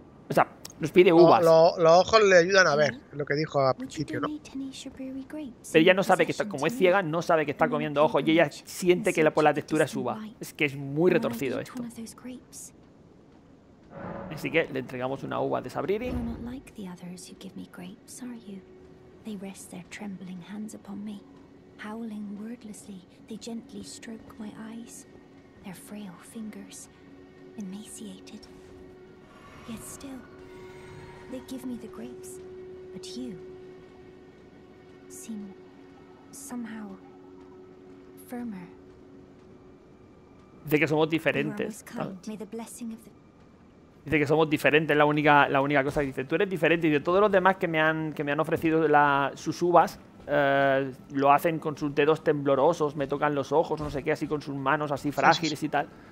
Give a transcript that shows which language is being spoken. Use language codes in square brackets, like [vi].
[es] O sea, nos pide uvas. Los ojos le ayudan a ver, lo que dijo al principio, ¿no? Pero ella no sabe que está, como es ciega, no sabe que está comiendo ojos. Y ella siente que por la textura es uva. Es que es muy retorcido esto. Así que le entregamos una uva de Sabrini. [en] You're not like the others who give me grapes, are you? They rest their trembling hands upon me. Howling wordlessly, they gently stroke my eyes. Their frail fingers, emaciated. Yet still, they give me the grapes. But you seem somehow firmer. [es] De que somos diferentes. [en] May the blessing of the... [es] Dice que somos diferentes, la única cosa que dice. Tú eres diferente y de todos los demás que me han ofrecido sus uvas, lo hacen con sus dedos temblorosos, me tocan los ojos, no sé qué, así con sus manos así frágiles, sí, sí, y tal.